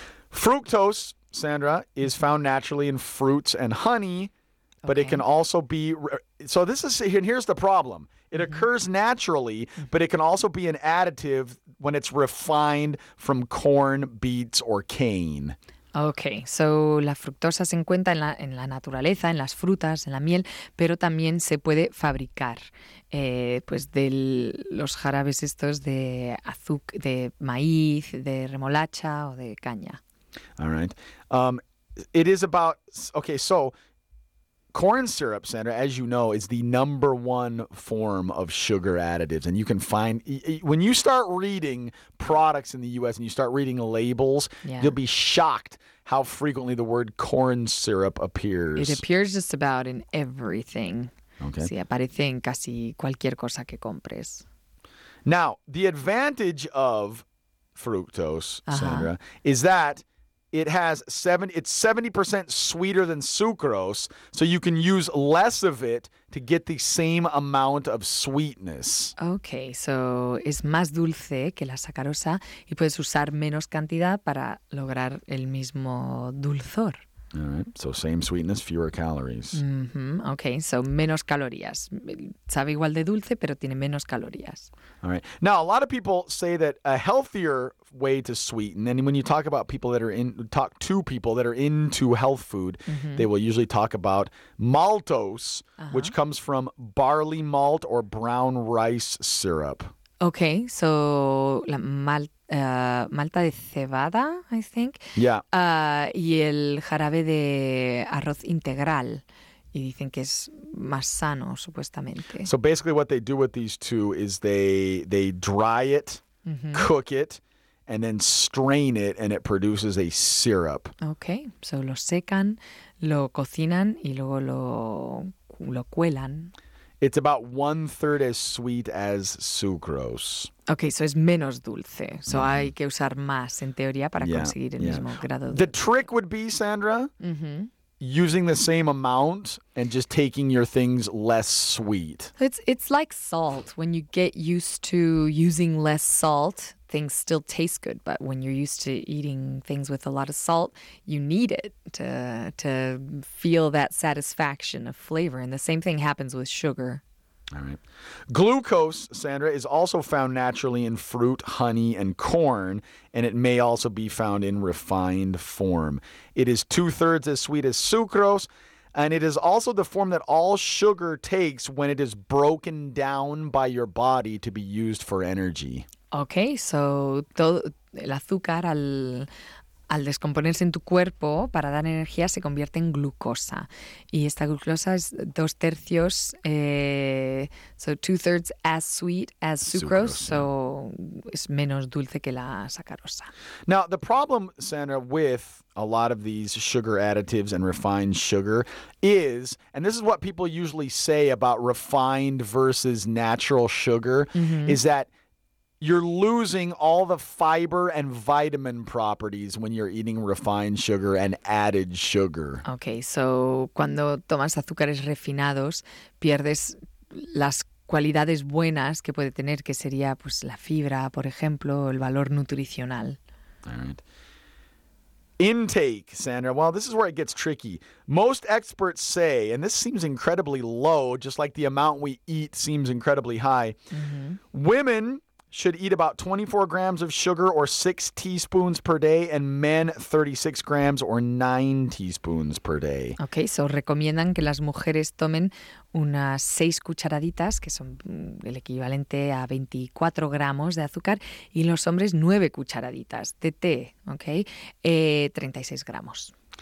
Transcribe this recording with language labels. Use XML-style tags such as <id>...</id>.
<en>Fructose, Sandra, is found naturally in fruits and honey. But okay. It can also be, so this is, and here's the problem. It mm-hmm. occurs naturally, but it can also be an additive when it's refined from corn, beets, or cane.</en> <es>Okay, so la fructosa se encuentra en la naturaleza, en las frutas, en la miel, pero también se puede fabricar pues de los jarabes estos de azúcar, de maíz, de remolacha o de caña.</es> <en>All right. It is about, okay, so corn syrup, Sandra, as you know, is the number one form of sugar additives. And you can find, when you start reading products in the U.S. and you start reading labels, yeah. you'll be shocked how frequently the word corn syrup appears. It appears just about in everything. Okay.</en> <es>Sí, aparece en casi cualquier cosa que compres.</es> <en>Now, the advantage of fructose, Sandra, uh-huh. is that it's 70% sweeter than sucrose, so you can use less of it to get the same amount of sweetness.</en> <es>Okay, so es más dulce que la sacarosa y puedes usar menos cantidad para lograr el mismo dulzor.</es> <en>All right, so same sweetness, fewer calories.</en> <es>Mm-hmm. Okay, so menos calorías. Sabe igual de dulce, pero tiene menos calorías.</es> <en>All right. Now, a lot of people say that a healthier way to sweeten, and when you talk about people that are in, talk to people that are into health food, mm-hmm. they will usually talk about maltose, uh-huh. which comes from barley malt or brown rice syrup. Okay, so</en> <es>malta de cebada,</es> <en>I think. Yeah.</en> <es>Y el jarabe de arroz integral. Y dicen que es más sano, supuestamente.</es> <en>So basically what they do with these two is they dry it, mm-hmm. cook it, and then strain it, and it produces a syrup.</en> <es>Okay. So lo secan, lo cocinan, y luego lo cuelan.</es> <en>It's about one-third as sweet as sucrose. Okay, so</en> <es>es menos dulce.</es> <en>So mm-hmm.</en> <es>hay que usar más, en teoría, para yeah, conseguir el yeah. mismo grado dulce.</es> <en>The trick would be, Sandra, mm-hmm. using the same amount and just taking your things less sweet. It's like salt. When you get used to using less salt, things still taste good. But when you're used to eating things with a lot of salt, you need it to feel that satisfaction of flavor. And the same thing happens with sugar. All right. Glucose, Sandra, is also found naturally in fruit, honey, and corn, and it may also be found in refined form. It is two-thirds as sweet as sucrose, and it is also the form that all sugar takes when it is broken down by your body to be used for energy.</en> <es>Okay, so el azúcar al descomponerse en tu cuerpo para dar energía se convierte en glucosa. Y esta glucosa es dos tercios, so</es> <en>two-thirds as sweet as sucrose,</en> <es>so es menos dulce que la sacarosa.</es> <en>Now, the problem, Sandra, with a lot of these sugar additives and refined sugar is, and this is what people usually say about refined versus natural sugar, mm-hmm. is that you're losing all the fiber and vitamin properties when you're eating refined sugar and added sugar.</en> <es>Okay, so cuando tomas azúcares refinados, pierdes las cualidades buenas que puede tener, que sería pues la fibra, por ejemplo, el valor nutricional.</es> <en>All right. intake, Sandra. Well, this is where it gets tricky. Most experts say, and this seems incredibly low, just like the amount we eat seems incredibly high, mm-hmm. women should eat about 24 grams of sugar or 6 teaspoons per day, and men 36 grams or 9 teaspoons per day.</en> <es>Okay, so recomiendan que las mujeres tomen unas 6 cucharaditas, que son el equivalente a 24 gramos de azúcar, y los hombres 9 cucharaditas de té, okay, 36 gramos.</es>